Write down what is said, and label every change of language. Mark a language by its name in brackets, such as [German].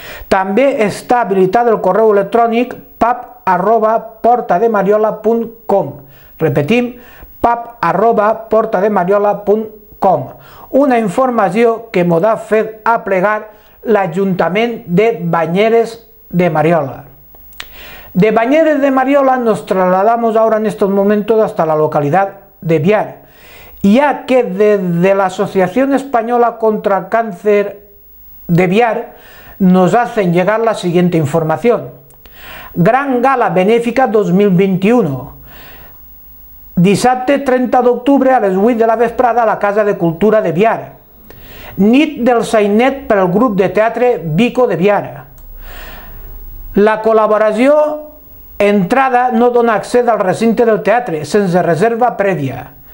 [Catalan] També està habilitat el correu electrònic pap@portademariola.com. Repetim, pap@portademariola.com. Una informació que m'ho ha fet aplegar l'Ajuntament de Banyeres de Mariola. [Spanish] De Bañeres de Mariola nos trasladamos ahora en estos momentos hasta la localidad de Biar, ya que desde la Asociación Española contra el Cáncer de Biar nos hacen llegar la siguiente información. Gran Gala Benéfica 2021. [Catalan] Dissabte 30 d'octubre a les 8 de la vesprada a la Casa de Cultura de Biar. Nit del Sainet per al grup de teatre Vico de Biar. La col·laboració entrada no dona accés al recinte del teatre, sense reserva prèvia.